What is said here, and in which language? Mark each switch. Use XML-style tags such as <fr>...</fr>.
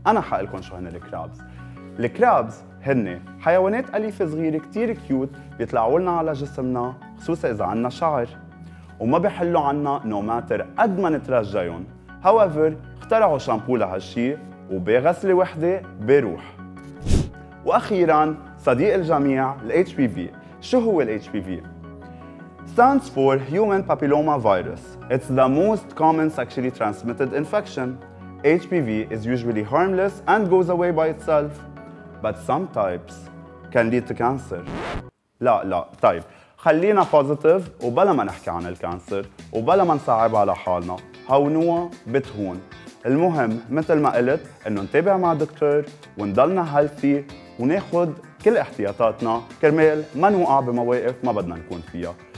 <ar>أنا حقلكن شو هن الكرابز. الكرابز هن حيوانات أليفة صغيرة كتير كيوت بيطلعولنا على جسمنا خصوصا إذا عنا شعر. وما بيحلوا عنا</ar> <en>no matter</en> <ar>قد ما نترجيهم.</ar> <en>however</en> <ar>اخترعوا شامبو لهالشي وبغسلة وحدة بيروح. واخيرا صديق الجميع ال HPV. شو هو ال</ar> <en>HPV؟ stands for human papilloma virus. it's the most common sexually transmitted infection. HPV is usually harmless and goes away by itself, but some types can lead to cancer.</en> <ar>لا لا طيب خلينا positive وبلا ما نحكي عن الكانسر وبلا ما نصعب على حالنا. هونوا بتهون. المهم مثل ما قلت انه نتابع مع دكتور ونضلنا healthy وناخد كل احتياطاتنا كرمال ما نوقع بمواقف ما بدنا نكون فيها.</ar>